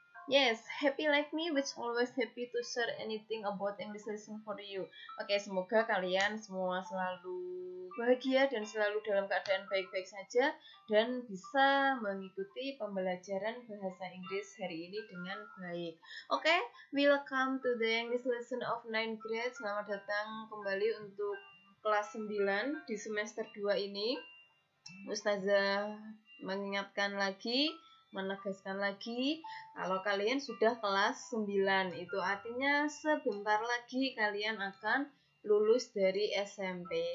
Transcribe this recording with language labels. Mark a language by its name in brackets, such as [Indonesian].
[English] Yes, happy like me, which always happy to share anything about English lesson for you. [Indonesian] Okay, semoga kalian semua selalu bahagia dan selalu dalam keadaan baik-baik saja dan bisa mengikuti pembelajaran bahasa Inggris hari ini dengan baik. [English] Okay, welcome to the English lesson of 9th grade. [Indonesian] Selamat datang kembali untuk kelas 9 di semester 2 ini. Ustazah mengingatkan lagi, menegaskan lagi, kalau kalian sudah kelas 9, itu artinya sebentar lagi kalian akan lulus dari SMP.